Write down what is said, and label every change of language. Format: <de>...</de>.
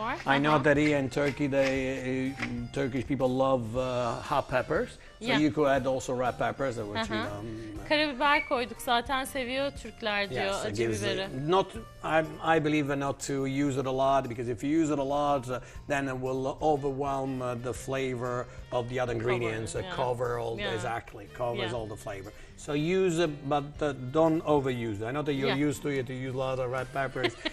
<en>I know that here in Turkey, Turkish people love hot peppers. So you could add also red peppers, which you know.</en> <tr>Karabiber koyduk zaten seviyor Türkler diyor acı biberi.</tr> <en>Not I believe not to use it a lot because if you use it a lot, then it will overwhelm the flavor of the other ingredients. Covers all the flavor. So use it, but don't overuse it. I know that you're used to it, to use a lot of red peppers.</en>